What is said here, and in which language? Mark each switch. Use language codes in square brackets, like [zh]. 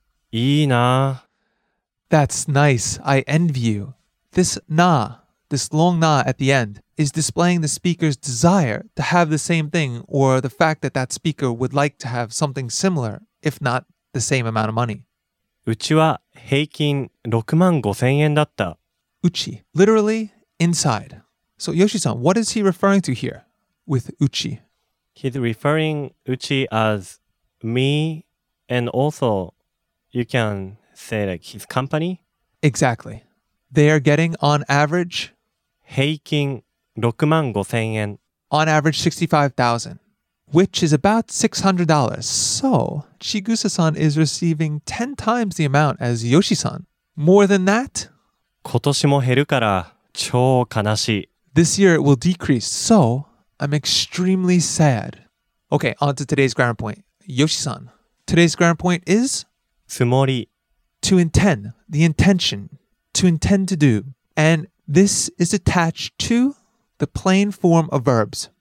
[ja] いいな。 [en] That's nice. I envy you. This na, this long na at the end, is displaying the speaker's desire to have the same thing or the fact that that speaker would like to have something similar, if not the same amount of money. [ja] うちは平均6万5千円だった。 [en] うち。Literally, inside. So Yoshi-san, what is he referring to here with uchi? He's referring uchi as me, and also you can say like his company. Exactly. They are getting on average [ja] 平均6万5千円 [en] on average 65,000, which is about $600. So Chigusa-san is receiving 10 times the amount as Yoshi-san. More than that? [ja] 今年も減るから超悲しい。 [en] This year it will decrease, so I'm extremely sad. Okay, on to today's grammar point. Yoshi-san, today's grammar point is? Tsumori. To intend, the intention, to intend to do. And this is attached to the plain form of verbs.